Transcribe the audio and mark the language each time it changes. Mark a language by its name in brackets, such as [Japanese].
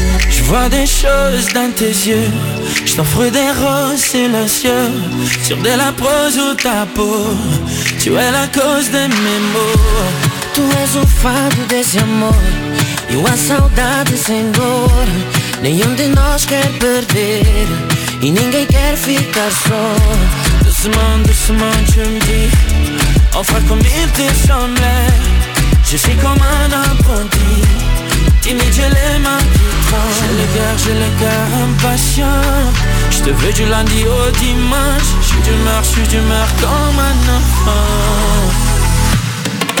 [French] Je vois des choses dans tes yeux, je t'offre des roses silencieux, sur de la prose ou ta peau, tu es la cause de mes maux. Tu es un fado [Portuguese] desse amor, e a saudade sem dor. Nenhum de nós quer perder, e ninguém quer ficar só. [French] Doucement, doucement, tu me dis, enfin comme il te semblait, je suis comme un apprenti. Timide, j'ai les mains qui tremblent. J'ai le cœur impatient. Je te veux du lundi au dimanche. J'suis d'humeur comme un enfant.